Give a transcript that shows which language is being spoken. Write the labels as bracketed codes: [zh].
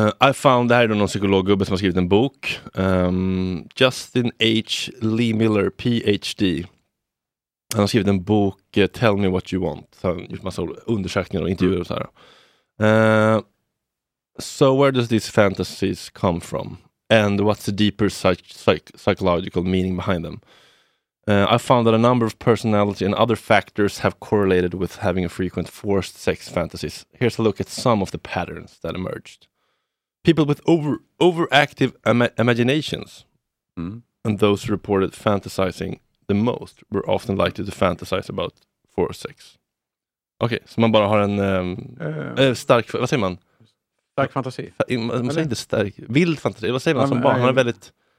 [en] I found, [sv] det här är någon psykologgubbe som har skrivit en bok, Justin H. Lee Miller, PhD. Han har skrivit en bok, Tell Me What You Want. Han har gjort massa undersökningar och intervjuer och så här. [en] So where does these fantasies come from? And what's the deeper psychological meaning behind them? I found that a number of personality and other factors have correlated with having a frequent forced sex fantasies. Here's a look at some of the patterns that emerged. People with overactive imaginations and those who reported fantasizing the most were often likely to fantasize about forced sex. [sv] Okay, so man bara har en stark, vad säger man? Stark fantasi. Man säger inte stark, vild fantasi. Vad säger man som bara har en väldigt